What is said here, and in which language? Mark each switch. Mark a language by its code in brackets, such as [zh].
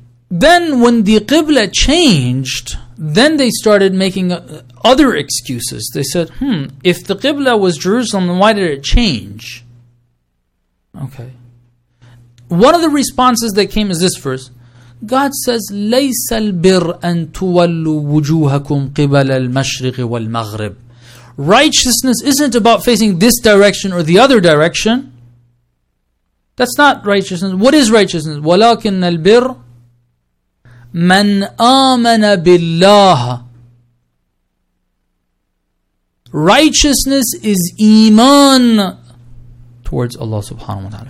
[en] Then when the Qibla changed, then they started making other excuses. They said, if the Qibla was Jerusalem, then why did it change? Okay. One of the responses that came is this verse. God says, [ar] لَيْسَ الْبِرْ أَن تُوَلُّوا وُجُوهَكُمْ قِبَلَ الْمَشْرِقِ وَالْمَغْرِبِ. [en] Righteousness isn't about facing this direction or the other direction. That's not righteousness. What is righteousness? [ar] وَلَكِنَّ الْبِرْ مَنْ آمَنَ بِاللَّهِ. [en] Righteousness is iman towards Allah subhanahu wa ta'ala.